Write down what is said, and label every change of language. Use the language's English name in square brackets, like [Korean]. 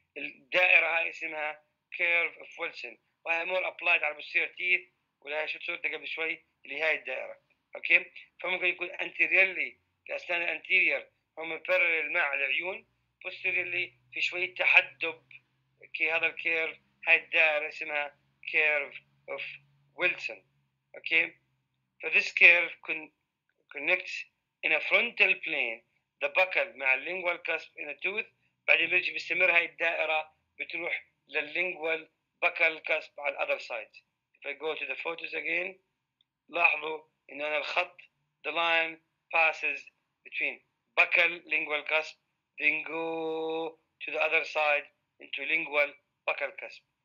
[Arabic] الدائرة هاي اسمها curve of Wilson وهي more applied على posterior teeth، ولا هي شفت صورتها قبل شوي اللي هاي الدائرة. أوكي، فممكن يكون anteriorly الأسنان الأنتيرير هم parallel مع العيون، posteriorly في شوية تحدب كي هذا الكيرف، هاي الدائرة اسمها curve of Wilson. [English] okay, for this curve connects in a frontal plane the buccal مع lingual cusp in a tooth. [Arabic] بعدين بيجي بيستمر هاي الدائرة بتروح لللingual buccal cusp على [English] the other side. If I go to the photos again, [Arabic] لاحظوا إن أنا الخط, [English] the line passes between buccal lingual cusp, then go to the other side into lingual buccal cusp.